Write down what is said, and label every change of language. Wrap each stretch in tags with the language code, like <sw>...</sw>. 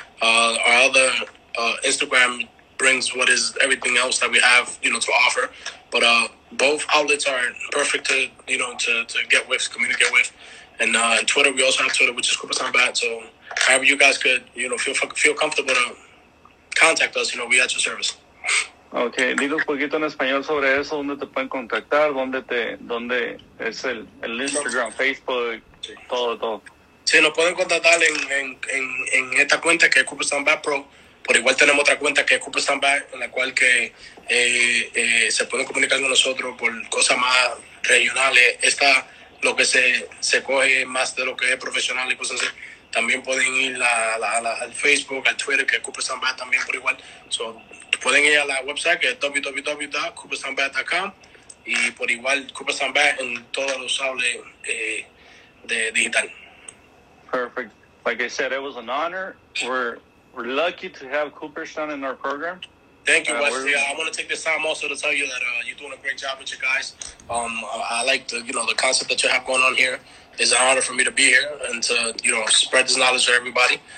<en>Our other Instagram brings what is everything else that we have, to offer. But both outlets are perfect to communicate with. And Twitter, we also have Twitter, which is Cooperstown Bat. So however you guys could, feel comfortable to contact. contact us, you know, we at your service.</en> <es>Okay, dile un poquito en español sobre eso, dónde te pueden contactar, dónde es el Instagram, Facebook, todo. Sí, nos pueden contactar en esta cuenta que es Cooperstown Bat Pro, por igual tenemos otra cuenta que es Cooperstown Bat, en la cual que se pueden comunicar con nosotros por cosas más regionales, esta lo que se coge más de lo que es profesional y cosas así. También pueden ir al Facebook, al Twitter, que es Cooperstown Bat también por igual. So, pueden ir a la website, que es www.cooperstownbat.com, y por igual Cooperstown Bat en todos los outlets de digital.</es> <en>Perfect. Like I said, it was an honor. We're lucky to have Cooperstown in our program. Thank you, Wesley. Yeah, I want to take this time also to tell you that you're doing a great job with you guys. I like the concept that you have going on here. It's an honor for me to be here and to, you know, spread this knowledge to everybody.</en>